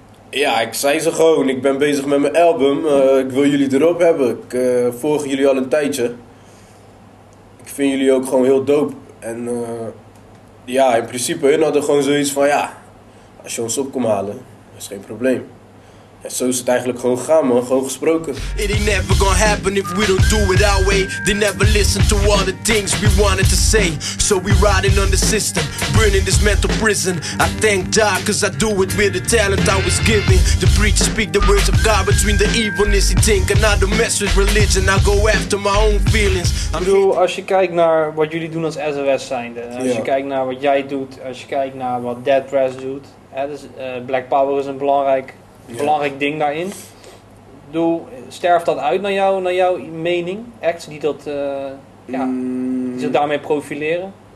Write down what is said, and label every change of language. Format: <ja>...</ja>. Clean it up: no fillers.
<nl>Ja, ik zei ze gewoon, ik ben bezig met mijn album, ik wil jullie erop hebben. Ik volg jullie al een tijdje. Ik vind jullie ook gewoon heel dope. En ja, in principe, hun hadden gewoon zoiets van, ja, als je ons op komt halen, is geen probleem. En zo is het eigenlijk gewoon gegaan, man, gewoon gesproken.</nl> <en>It ain't never gonna happen if we don't do it our way. They never listen to all the things we wanted to say. So we riding on the system, burning this mental prison. I thank God, cause I do it with the talent I was given. The preachers speak the words of God between the evilness he think. And I don't mess with religion, I go after my own feelings.</en> <nl>Ik bedoel, als je kijkt naar wat jullie doen als SOS zijnde. Als je kijkt naar wat jij doet, als je kijkt naar wat Dead Press doet. Dus, Black Power is een belangrijk ding daarin. Doe, sterft dat uit naar jouw mening? Acts die dat die zich daarmee profileren?</nl>